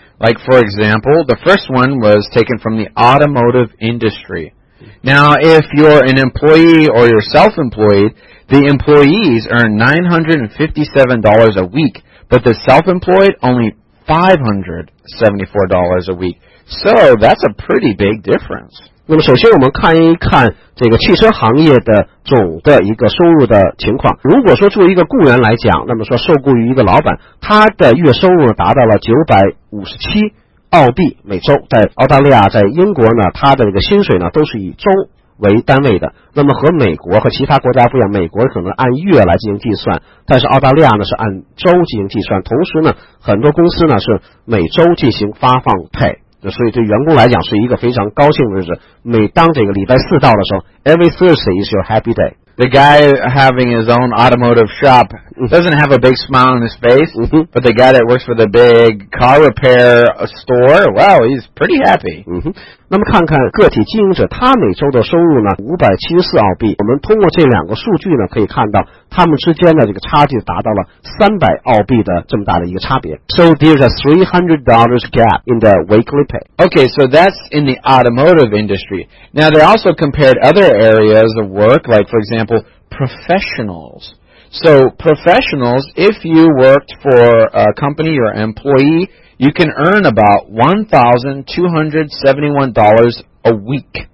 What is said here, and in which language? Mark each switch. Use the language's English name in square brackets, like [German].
[English] Like for example, the first one was taken from the automotive industry. Now if you're an employee or you're self-employed, the employees earn $957 a week, but the self-employed only $574 a week. So that's a pretty big difference. [Chinese] 那么首先我们看一看这个汽车行业的总的一个收入的情况。如果说作为一个雇员来讲，那么说受雇于一个老板，他的月收入达到了957澳币每周。在澳大利亚，在英国呢，他的这个薪水呢都是以周为单位的，那么和美国和其他国家不一样，美国可能按月来进行计算，但是澳大利亚呢是按周进行计算，同时呢很多公司呢是每周进行发放pay，所以对员工来讲是一个非常高兴的日子，每当这个礼拜四到的时候， [English] Every Thursday is your happy day。 The guy having his own automotive shop doesn't have a big smile on his face、 mm-hmm. but the guy that works for the big car repair store, wow, he's pretty happy、 mm-hmm. [Chinese] 那么看看个体经营者，他每周的收入呢574澳币，我们通过这两个数据呢可以看到他们之间的这个差距达到了300澳币的这么大的一个差别。 [English] So there's a $300 gap in the weekly pay. Okay, so that's in the automotive industry. Now they also compared other areas of work, like for example professionalsSo professionals, if you worked for a company or an employee, you can earn about $1,271 a week.